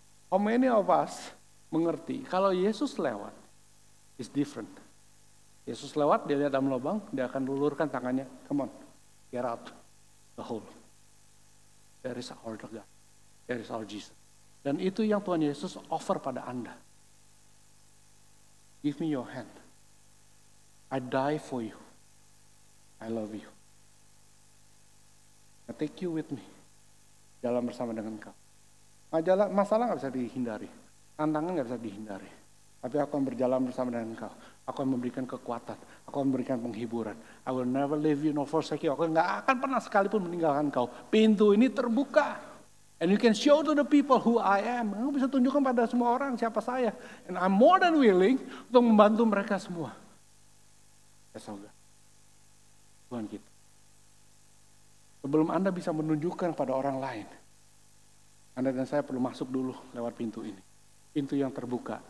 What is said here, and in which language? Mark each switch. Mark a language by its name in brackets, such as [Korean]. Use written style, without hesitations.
[English] How many of us [Indonesian] mengerti kalau Yesus lewat, [English] it's different. [Indonesian] Yesus lewat, dia lihat dalam lubang, dia akan lulurkan tangannya. [English] Come on, get out the hole. There is our God. There is our Jesus. [Indonesian] Dan itu yang Tuhan Yesus offer pada Anda. [English] Give me your hand. I die for you. I love you. I take you with me. [Indonesian] Jalan bersama dengan kau. Masalah gak bisa dihindari. Tantangan gak bisa dihindari. Tapi aku akan berjalan bersama dengan kau. Aku akan memberikan kekuatan. Aku akan memberikan penghiburan. [English] I will never leave you nor forsake you. [Indonesian] Aku gak akan pernah sekalipun meninggalkan kau. Pintu ini terbuka. [English] And you can show to the people who I am. [Indonesian] Aku bisa tunjukkan pada semua orang siapa saya. [English] And I'm more than willing [Indonesian] untuk membantu mereka semua. [English] Yes, oh God. [Indonesian] Tuhan kita. Sebelum Anda bisa menunjukkan pada orang lain, Anda dan saya perlu masuk dulu lewat pintu ini. Pintu yang terbuka.